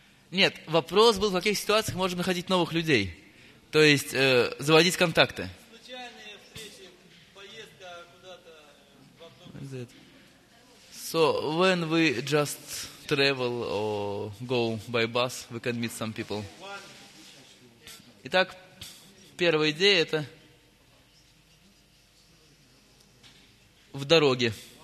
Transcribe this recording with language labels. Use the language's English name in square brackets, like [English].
[Russian] Нет, вопрос был, в каких ситуациях можем находить новых людей, то есть заводить контакты. Случайные встречи, поездка куда-то в автобус. [English] So, when we just travel or go by bus, we can meet some people. [Russian] Итак, первая идея это в дороге.